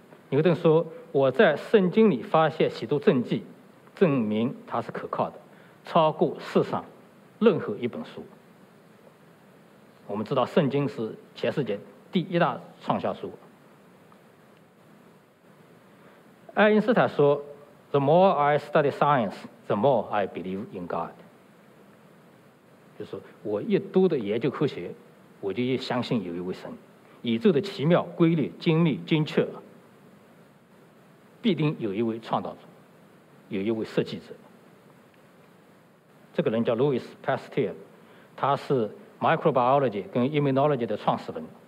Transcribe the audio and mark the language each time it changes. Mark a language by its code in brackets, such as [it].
[zh] 牛顿说，我在圣经里发现许多证据，证明它是可靠的，超过世上任何一本书。我们知道圣经是全世界第一大畅销书。爱因斯坦说， [en] The more I study science, the more I believe in God。 [zh] 就是我越多的研究科学，我就越相信有一位神，宇宙的奇妙规律精密精确，必定有一位创造者，有一位设计者。这个人叫 Louis Pasteur， 他是 microbiology 跟 immunology 的创始人。